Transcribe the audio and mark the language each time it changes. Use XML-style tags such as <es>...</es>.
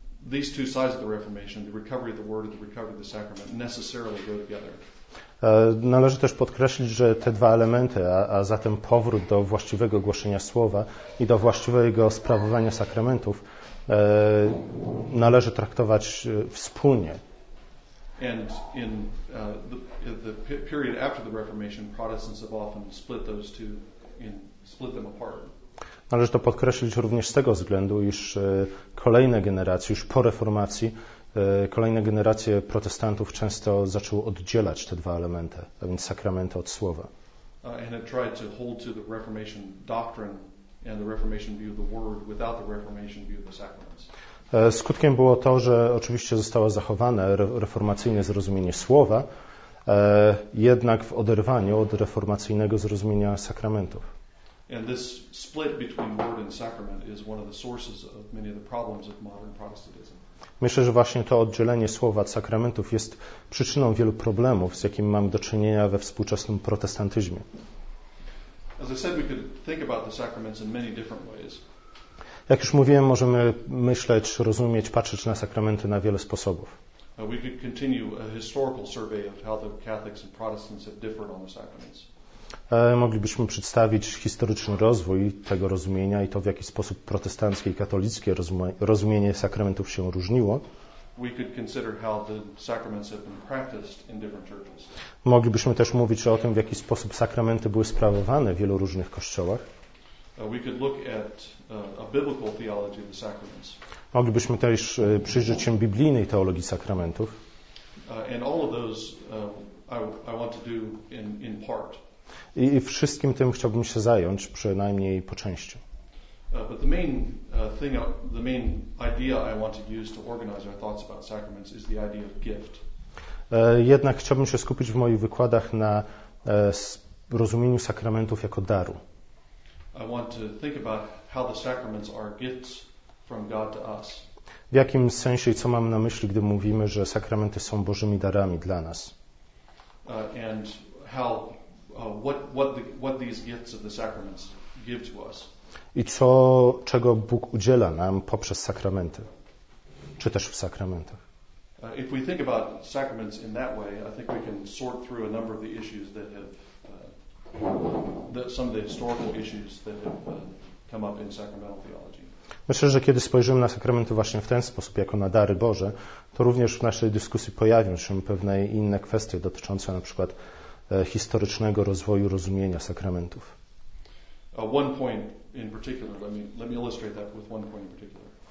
<en>These two sides of the Reformation, the recovery of the word and the recovery of the sacrament, necessarily go together.</en> <pl>Należy też podkreślić, że te dwa elementy, a zatem powrót do właściwego głoszenia słowa i do właściwego sprawowania sakramentów, należy traktować wspólnie.</pl> <en>And in the period after the Reformation, Protestants have often split those two in, split them apart.</en> <pl>Należy to podkreślić również z tego względu, iż kolejne generacje, już po reformacji, kolejne generacje protestantów często zaczęły oddzielać te dwa elementy, a więc sakramenty od słowa.</pl> <en>And it tried to hold to the Reformation doctrine and the Reformation view of the word without the Reformation view of the sacraments.</en> <pl>Skutkiem było to, że oczywiście zostało zachowane reformacyjne zrozumienie słowa, jednak w oderwaniu od reformacyjnego zrozumienia sakramentów.</pl> <en>And this split between word and sacrament is one of the sources of many of the problems of modern Protestantism.</en> <pl>Myślę, że właśnie to oddzielenie słowa od sakramentów jest przyczyną wielu problemów, z jakimi mamy do czynienia we współczesnym protestantyzmie.</pl> <en>As I said, we could think about the sacraments in many different ways.</en> <pl>Jak już mówiłem, możemy myśleć, rozumieć, patrzeć na sakramenty na wiele sposobów.</pl> <en>We could continue a historical survey of how the Catholics and Protestants have differed on the sacraments.</en> <pl>Moglibyśmy przedstawić historyczny rozwój tego rozumienia i to, w jaki sposób protestanckie i katolickie rozumienie sakramentów się różniło.</pl> <en>We could consider how the sacraments have been practiced in different churches.</en> <pl>Moglibyśmy też mówić o tym, w jaki sposób sakramenty były sprawowane w wielu różnych kościołach.</pl> <en>We could look at a biblical theology of the sacraments.</en> <pl>Moglibyśmy też przyjrzeć się biblijnej teologii sakramentów.</pl> <en>And all of those I want to do in part.</en> <pl>I wszystkim tym chciałbym się zająć, przynajmniej po części.</pl> <en>But the main thing, the main idea I want to use to organize our thoughts about sacraments is the idea of gift.</en> <pl>Jednak chciałbym się skupić w moich wykładach na rozumieniu sakramentów jako daru.</pl> <en>I want to think about how the sacraments are gifts from God to us.</en> <pl>W jakim sensie i co mam na myśli, gdy mówimy, że sakramenty są Bożymi darami dla nas?</pl> <en>And how what these gifts of the sacraments give to us.</en> <pl>I co, czego Bóg udziela nam poprzez sakramenty, czy też w sakramentach.</pl> <en>If we think about sacraments in that way, I think we can sort through a number of the issues that have some of the historical issues that have come up in sacramental theology.</en> <pl>Myślę, że kiedy spojrzymy na sakramenty właśnie w ten sposób, jako na dary Boże, to również w naszej dyskusji pojawią się pewne inne kwestie dotyczące na przykład historycznego rozwoju rozumienia sakramentów.</pl> <en>One point in particular, let me illustrate that with one point in particular.</en>